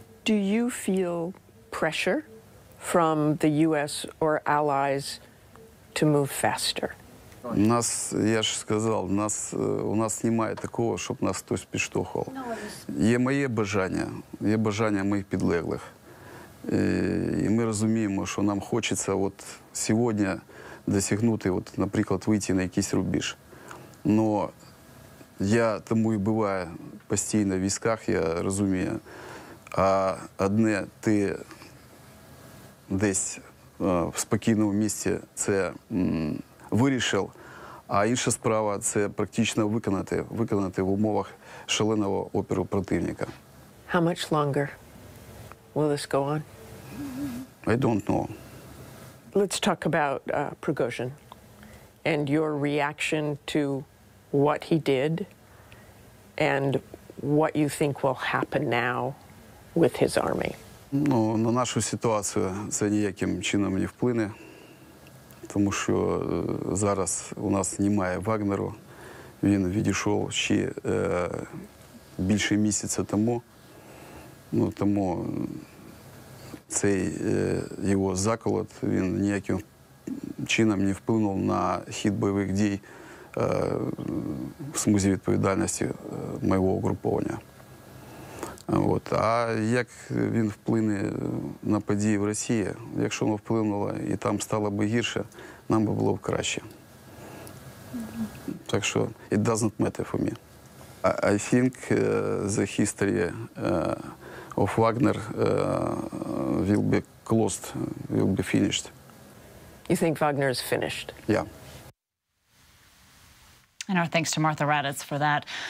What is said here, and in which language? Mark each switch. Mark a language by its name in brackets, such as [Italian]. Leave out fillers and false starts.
[English] Do you feel pressure from the US or allies to move faster? [Ukrainian] Нас, я ж сказав, у нас немає такого, щоб нас хтось підштовхував. Є моє бажання, є бажання моїх підлеглих. І ми розуміємо, що нам хочеться от сьогодні досягнути, от, наприклад, вийти на якийсь рубіж. Но я тому і буваю постійно в військах, я розумію. А одне ти десь в спокійному місці це вирішив, а інша справа – це практично виконати в умовах шаленого опору противника. [English] How much longer will this go on? I don't know. Let's talk about Prigozhin and your reaction to what he did and what you think will happen now with his army. [Ukrainian] Ну, на нашу ситуацію це ніяким чином не вплине. Тому що зараз у нас немає Вагнеру, він відійшов ще більше місяця тому. Ну, тому цей його заколот, він ніяким чином не вплинув на хід бойових дій в смузі відповідальності моєго угруповання. От. А як він вплине на події в Росії, якщо воно вплинуло і там стало б гірше, нам би було б краще. Так що [English] it doesn't matter for me. I think the history of Wagner will be closed, will be finished. You think Wagner is finished? Yeah. And our thanks to Martha Raddatz for that.